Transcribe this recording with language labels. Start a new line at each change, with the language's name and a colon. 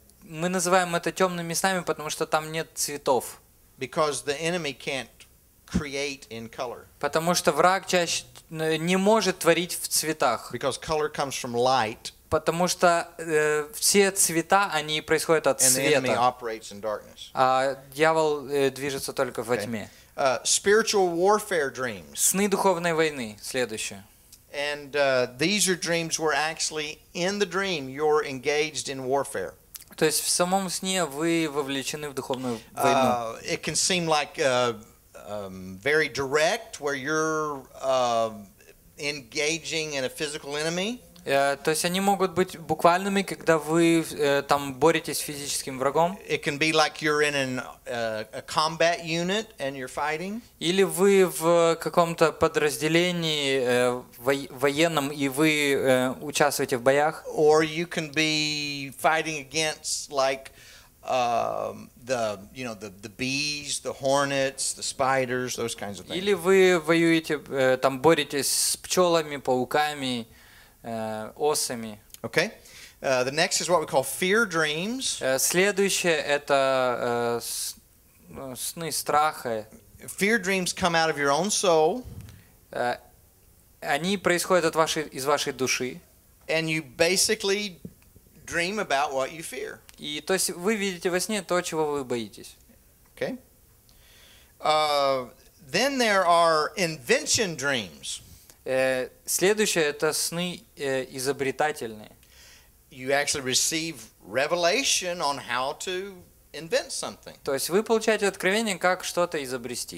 Russian: Мы называем это темными снами, потому что там нет цветов.
English: Because the enemy can't create in color.
Russian: Потому что враг чаще не может творить в цветах.
English: Because color comes from light.
Russian: Потому что все цвета, они происходят от света. А дьявол движется только во тьме.
English: Spiritual warfare dreams.
Russian: Сны духовной войны. Следующее.
English: And these are dreams where actually in the dream you're engaged in warfare.
Russian: То есть в самом сне вы вовлечены в духовную войну.
English: It can seem like very direct, where you're engaging in a physical enemy.
Russian: То есть они могут быть буквальными, когда вы там боретесь с физическим врагом.
English: It can be like you're in a combat unit and you're fighting.
Russian: Или вы в каком-то подразделении военном и вы участвуете в боях.
English: Or you can be fighting against like the bees, the hornets, the spiders, those kinds of things.
Russian: Или вы воюете там боретесь с пчелами, пауками. Осами. Okay.
English: The next is what we call fear dreams.
Russian: Следующее это сны страха.
English: Fear dreams come out of your own soul.
Russian: Они происходят от вашей души.
English: And you basically dream about what you fear.
Russian: И то есть вы видите во сне то, чего вы боитесь. Okay.
English: Then there are invention dreams.
Russian: Следующее это сны изобретательные.
English: You actually receive revelation on how to invent something.
Russian: То есть вы получаете откровение, как что-то изобрести.